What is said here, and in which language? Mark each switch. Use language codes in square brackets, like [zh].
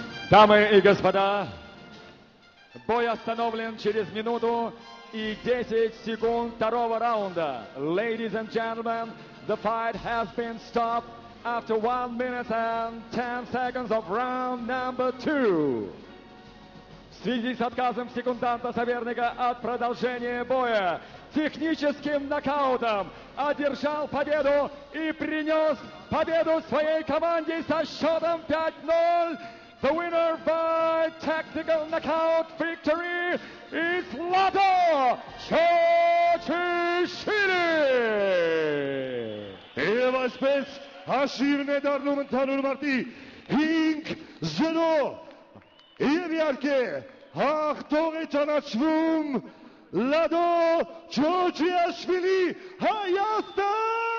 [ru] Дамы и господа, бой остановлен через минуту и 10 секунд второго раунда. [en] Ladies and gentlemen, the fight has been stopped after 1 minute and 10 seconds of round number 2. [ru] В связи с отказом секунданта соперника от продолжения боя, техническим нокаутом одержал победу и принес победу своей команде со счетом 5-0. [en] The winner by tactical knockout victory is Lado Chochishvili. [hy] Եվ այսպես հաշիվն է դառնում ընդհանուր մարտի 5-0. Եվ իհարկե հաղթողը ճանաչվում Lado, Chochishvili, Hayastan!